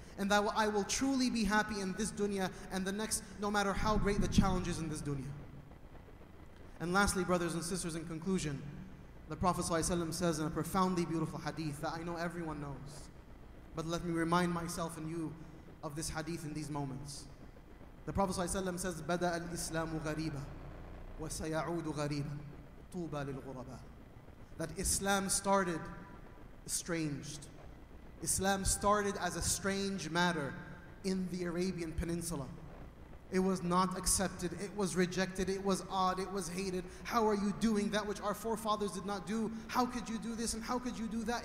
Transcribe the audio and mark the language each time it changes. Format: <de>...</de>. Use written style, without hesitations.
<en>And that I will truly be happy in this dunya and the next, no matter how great the challenge is in this dunya. And lastly, brothers and sisters, in conclusion, the Prophet ﷺ says in a profoundly beautiful hadith that I know everyone knows, but let me remind myself and you of this hadith in these moments. The Prophet ﷺ says,</en> <ar>بَدَأَ الْإِسْلَامُ غَرِيبًا وَسَيَعُودُ غَرِيبًا طُوبَى لِلْغُرَبَى.</ar> <en>That Islam started estranged. Islam started as a strange matter in the Arabian Peninsula. It was not accepted, it was rejected, it was odd, it was hated. How are you doing that which our forefathers did not do? How could you do this and how could you do that?</en>